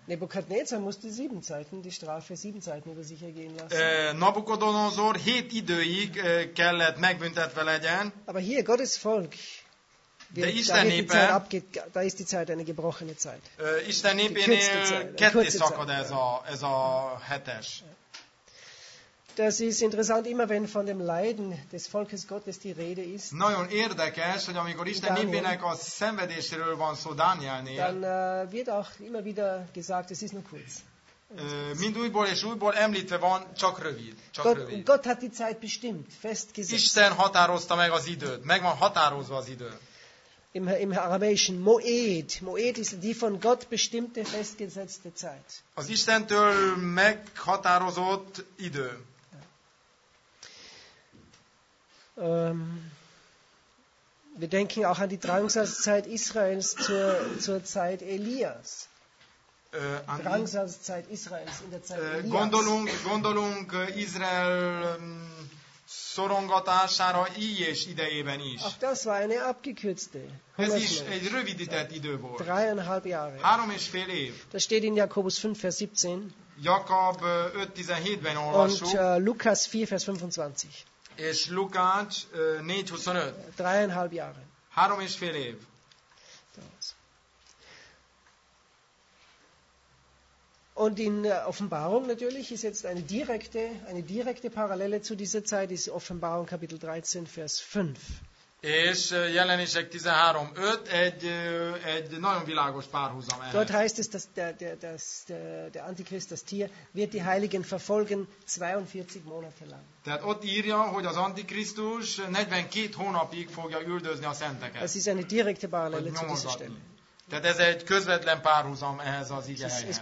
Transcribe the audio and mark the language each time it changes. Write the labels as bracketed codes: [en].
[de] Nebukadnezar musste 7 Zeiten, die Strafe 7 Zeiten über sich ergehen lassen. [hu] Nabukodonozor 7 időig kellett megbüntetve legyen. [de] Aber hier Gottes Volk. [hu] De Isten népe, [de] da ist die Zeit eine gebrochene Zeit. [hu] Isten népénél ketté szakad ez a hetes. [de] Das ist interessant, immer wenn von dem Leiden des Volkes Gottes die Rede ist. [hu] Nagyon érdekes, hogy amikor Isten népének a szenvedéséről van szó Dánielnél, [de] dann wird auch immer wieder gesagt, es ist nur kurz. [hu] Mind újból és újból említve van, csak rövid. Csak [de] Gott, [hu] rövid. [de] Gott hat die Zeit bestimmt, festgesetzt. [hu] Isten határozta meg az időt, meg van határozva az idő. [de] Im Aramäischen Moed. Moed ist die von Gott bestimmte, festgesetzte Zeit. [hu] Az Istentől meghatározott idő. [de] Wir denken auch an die Drangsalszeit Israels zur Zeit Elias. Drangsalszeit Israels in der Zeit Elias. [hu] Gondolunk Izrael szorongatására Illyés idejében is. [de] Auch das war eine abgekürzte. [hu] Ez is egy rövidített idő volt. [de] 3,5 Jahre. [hu] 3,5 év. [de] Das steht in Jakobus 5, Vers 17. [hu] Jakab 5,17-ben olvasó. [de] Und Lukas 4, Vers 25. [hu] És Lukács 4,25. [de] 3,5 Jahre. [hu] 3,5 év. [de] Und in Offenbarung natürlich ist jetzt eine direkte Parallele zu dieser Zeit, ist Offenbarung Kapitel 13, Vers 5. [hu] És Jelenések 13:5 egy nagyon világos párhuzam ehhez. [de] Dort heißt es, dass der Antichrist, das Tier, wird die Heiligen verfolgen 42 Monate lang. [hu] Tehát ott írja, hogy az Antikrisztus 42 hónapig fogja üldözni a szenteket. [de] Das ist eine direkte Parallele zu dieser Stelle. [hu] Tehát ez egy közvetlen párhuzam ehhez az igehelyhez.